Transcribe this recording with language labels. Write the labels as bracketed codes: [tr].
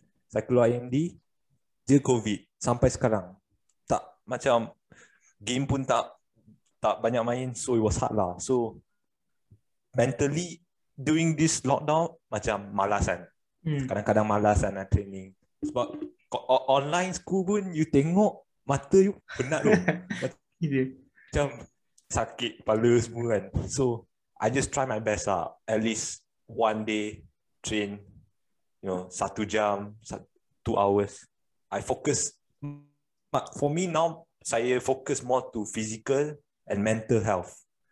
[ms] Saya keluar AMD, dia COVID sampai sekarang. Macam game pun tak banyak main, [en] so it was hard [ms] lah. [en] So mentally during this lockdown [ms] macam malas kan. Kadang-kadang malas kan training. Sebab online school pun you tengok mata you penat tu. macam sakit kepala semua kan. [en] So I just try my best lah. At least one day train, you know, 1 hour, 2 hours. I focus. But for me now, [ms] saya fokus [en] more to physical and mental health.